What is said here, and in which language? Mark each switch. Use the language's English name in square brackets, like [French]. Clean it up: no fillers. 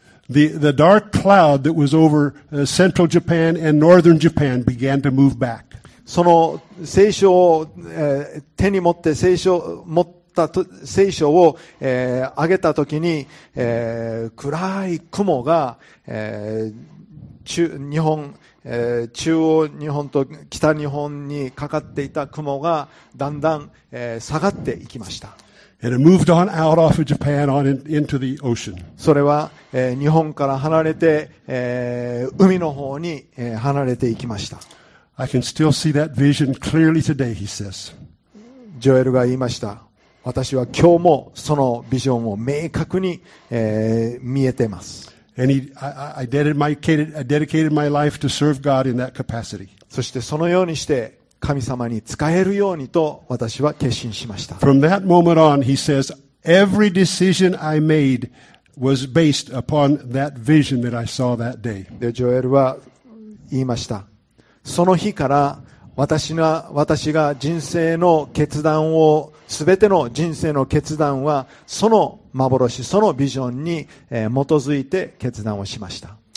[English] the dark cloud that was over central Japan and northern Japan began to move back. [Japanese] その聖書を、手に持って聖書持ったと聖書を、上げたときに、暗い雲が、日本中央日本と北日本にかかっていた雲がだんだん下がっていきました。 [English] And it moved on out off of Japan on into the ocean. [Japanese] それは日本から離れて海の方に離れていきました。 [English] I can still see that vision clearly today, he says. [Japanese] ジョエルが言いました。私は今日もそのビジョンを明確に見えています。 [English] And I dedicated my life to serve God in that capacity. [Japanese] そしてそのようにして神様に仕えるようにと私は決心しました。 [English] From that moment on, he says, every decision I made was based upon that vision that I saw that day. [Japanese] で、ジョエルは言いました。その日から私が人生の決断を、すべての人生の決断は、その幻、そのビジョンに基づいて決断をしました。